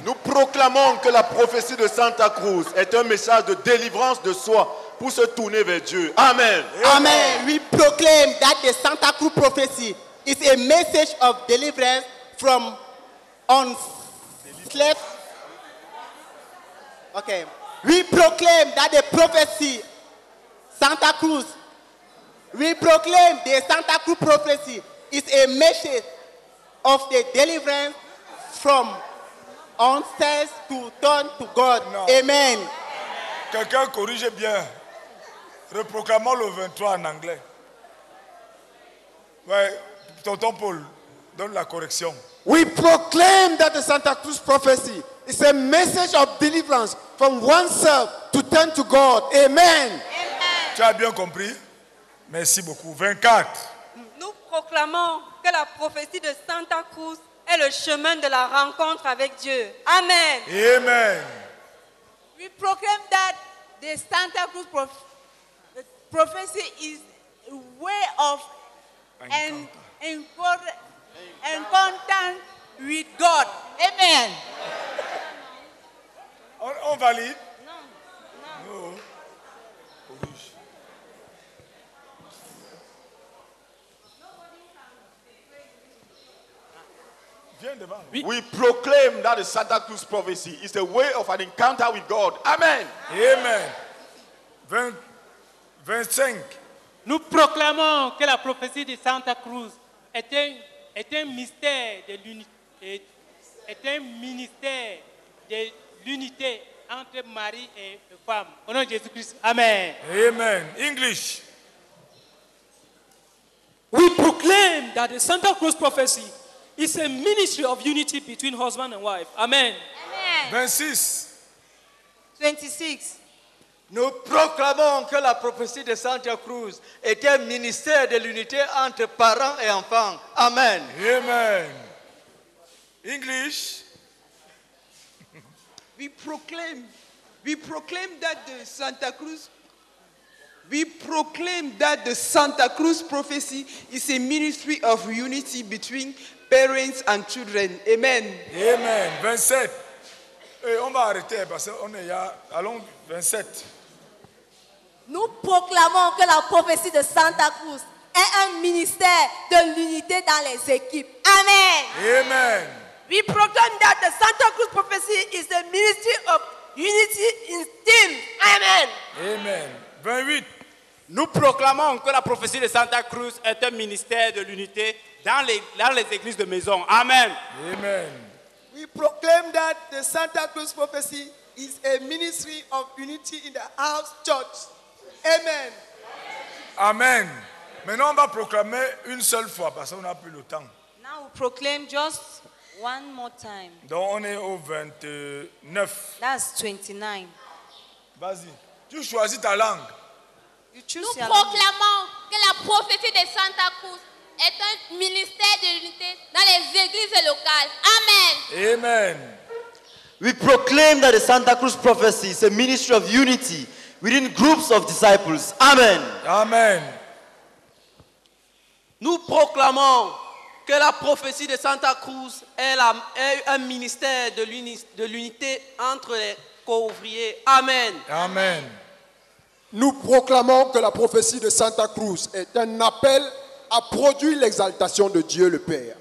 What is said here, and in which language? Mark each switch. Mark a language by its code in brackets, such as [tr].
[fr] Nous proclamons que la prophétie de Santa Cruz est un message de délivrance de soi pour se tourner vers Dieu. Amen. Amen. [en] We proclaim that the Santa Cruz prophecy is a message of deliverance from unslave. Okay. We proclaim that the prophecy Santa Cruz. We proclaim the Santa Cruz prophecy is a message of the deliverance from ancestors to turn to God. [fr] Non. Amen. Quelqu'un corrige bien. Reproclamons le 23 en anglais. Ouais, tonton Paul, donne la correction. [en] We proclaim that the Santa Cruz prophecy is a message of deliverance from oneself to turn to God. Amen. Amen. [fr] Tu as bien compris? Merci beaucoup. 24. Nous proclamons que la prophétie de Santa Cruz est le chemin de la rencontre avec Dieu. Amen. Amen. [en] We proclaim that the Santa Cruz prophecy is a way of encounter with God. Amen. [fr] On valide? Non. Non. [en] We proclaim that the Santa Cruz prophecy is a way of an encounter with God. Amen. Amen. 25. [fr] Nous proclamons que la prophétie de Santa Cruz est un mystère de l'unité, est un ministère de l'unité entre mari et femme. Au nom de Jésus-Christ. Amen. Amen. English. [en] We proclaim that the Santa Cruz prophecy, it's a ministry of unity between husband and wife. Amen. Amen. 26. 26. [fr] Nous proclamons que la prophétie de Santa Cruz est un ministère de l'unité entre parents et enfants. Amen. Amen. English. [en] We proclaim that the Santa Cruz prophecy is a ministry of unity between parents and children. Amen. Amen. 27. [fr] Et on va arrêter parce qu'on est là. Allons 27. Nous proclamons que la prophétie de Santa Cruz est un ministère de l'unité dans les équipes. Amen. Amen. [en] We proclaim that the Santa Cruz prophecy is the ministry of unity in team. Amen. Amen. 28. [fr] Nous proclamons que la prophétie de Santa Cruz est un ministère de l'unité dans les églises de maison. Amen. Amen. [en] We proclaim that the Santa Cruz prophecy is a ministry of unity in the house church. Amen. Amen. [fr] Maintenant, on va proclamer une seule fois parce qu'on n'a plus le temps. [en] Now we proclaim just one more time. [fr] Donc, on est au 29. [en] That's 29. [fr] Vas-y. Tu choisis ta langue. Nous proclamons que la prophétie de Santa Cruz est un ministère de l'unité dans les églises locales. Amen. [en] We proclaim that the Santa Cruz prophecy is a ministry of unity within groups of disciples. Amen. Amen. [fr] Nous proclamons que la prophétie de Santa Cruz est un ministère de l'unité entre les co-ouvriers. Amen. Amen. Nous proclamons que la prophétie de Santa Cruz est un appel à produire l'exaltation de Dieu le Père.